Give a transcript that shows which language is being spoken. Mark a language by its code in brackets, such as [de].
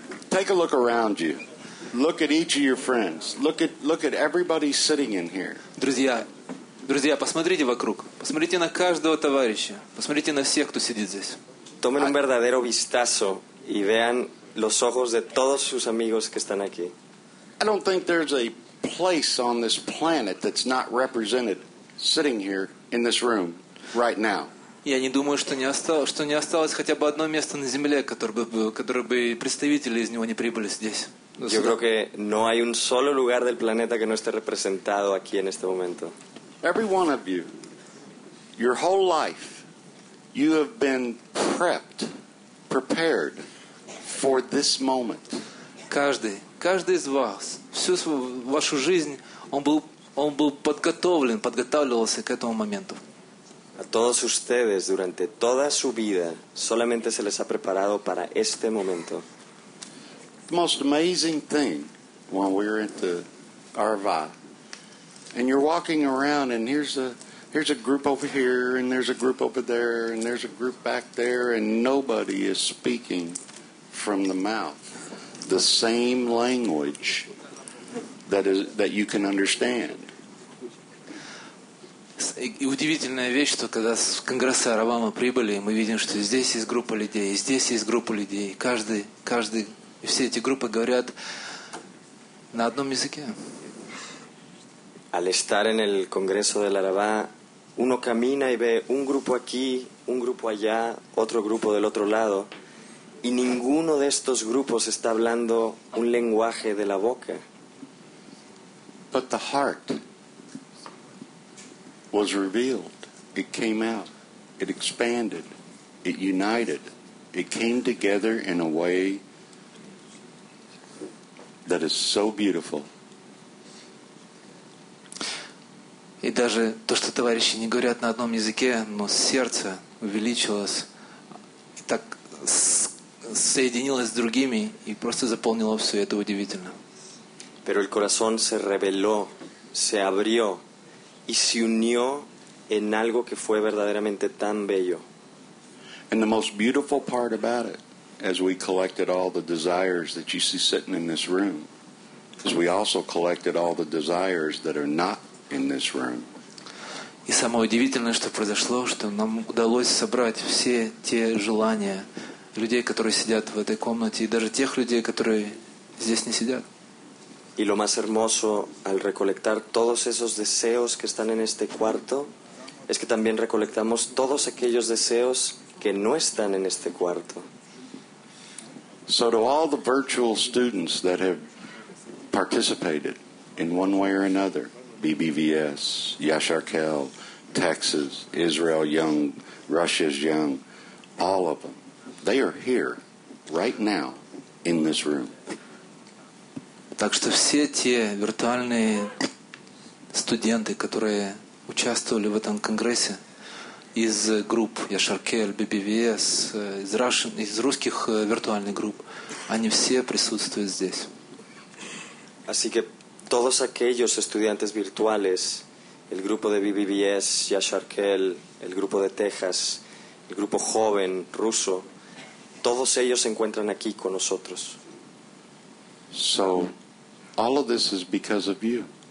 [en] Take a look around you. Look at each of your friends. Look at everybody sitting in here. [ru] Друзья, посмотрите вокруг. Посмотрите на каждого товарища. Посмотрите на всех, кто сидит здесь. [es] Tomen un verdadero vistazo y vean los ojos de todos sus amigos que están aquí. [en] I don't think there's a place on this planet that's not represented sitting here in this room right now. [ru] Я не думаю, что не осталось хотя бы одно место на земле, которое бы представители из него не прибыли здесь. [es] Yo creo que no hay un solo lugar del planeta que no esté representado aquí en este momento. [en] Every one of you, your whole life, you have been prepped, prepared for this moment. [ru] Каждый из вас всю вашу жизнь он был подготавливался к этому моменту. [es] A todos ustedes durante toda su vida solamente se les ha preparado para este momento. [en] The most amazing thing when we were at the Arva, and you're walking around and here's a group over here and there's a group over there and there's a group back there and nobody is speaking from the mouth the same language that you can understand. [ru] И удивительная вещь, что когда с Конгресса Арава мы прибыли, мы видим, что здесь есть группа людей, и здесь есть группа людей. Каждый, и все эти группы говорят на одном языке. [es] Al estar en el Congreso del Arava, uno camina y ve un grupo aquí, un grupo allá, otro grupo del otro lado, y ninguno de estos grupos está hablando un lenguaje de la boca. [en] But the heart was revealed. It came out. It expanded. It united. It came together in a way that is so beautiful. [ru] И даже то, что товарищи не говорят на одном языке, но сердце увеличилось, так соединилось с другими и просто заполнило все. Это удивительно. [es] Pero el corazón se reveló, se abrió y se unió en algo que fue verdaderamente tan bello. [en] And the most beautiful part about it, as we collected all the desires that you see sitting in this room, is we also collected all the desires that are not in this room. [ru] И самое удивительное, что произошло, что нам удалось собрать все те желания людей, которые сидят в этой комнате, и даже тех людей, которые здесь не сидят. [es] Y lo más hermoso al recolectar todos esos deseos que están en este cuarto es que también recolectamos todos aquellos deseos que no están en este cuarto. [en] So to all the virtual students that have participated in one way or another, BBVS, Yasharkel, Texas, Israel Young, Russia's Young, all of them, They are here right now in this room. [ru] Так что все те виртуальные студенты, которые участвовали в этом конгрессе из групп Яшаркель, BBVS, из Russian, из русских виртуальных групп, они все присутствуют здесь. [es] Así que todos aquellos estudiantes virtuales, el grupo de BBVS, Яшаркель, el grupo de Texas, el grupo joven ruso, todos ellos se encuentran aquí con nosotros. [en] So, all of this is because of you.